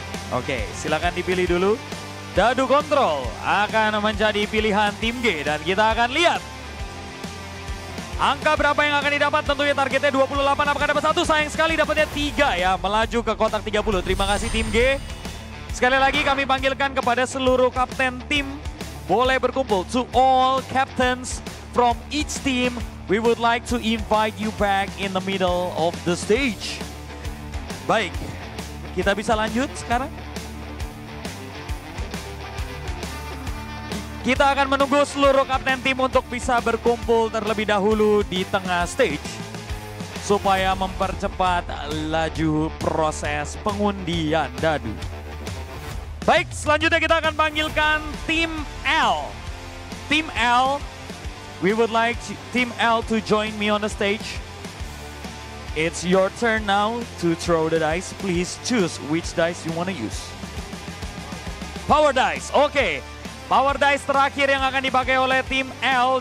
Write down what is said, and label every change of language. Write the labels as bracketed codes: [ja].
[id] Oke, silakan dipilih dulu. Dadu kontrol akan menjadi pilihan tim G dan kita akan lihat angka berapa yang akan didapat. Tentunya targetnya 28, apakah dapat 1? Sayang sekali dapatnya 3 ya, melaju ke kotak 30. Terima kasih tim G. Sekali lagi kami panggilkan kepada seluruh kapten tim, boleh berkumpul. [en] To all captains from each team, we would like to invite you back in the middle of the stage. [id] Baik. Kita bisa lanjut sekarang. Kita akan menunggu seluruh kapten tim untuk bisa berkumpul terlebih dahulu di tengah stage. Supaya mempercepat laju proses pengundian dadu. Baik, selanjutnya kita akan panggilkan tim L. [en] Tim L, we would like tim L to join me on the stage. It's your turn now to throw the dice. Please choose which dice you want to use. Power dice, okay. [id] Power dice terakhir yang akan dipakai oleh tim L.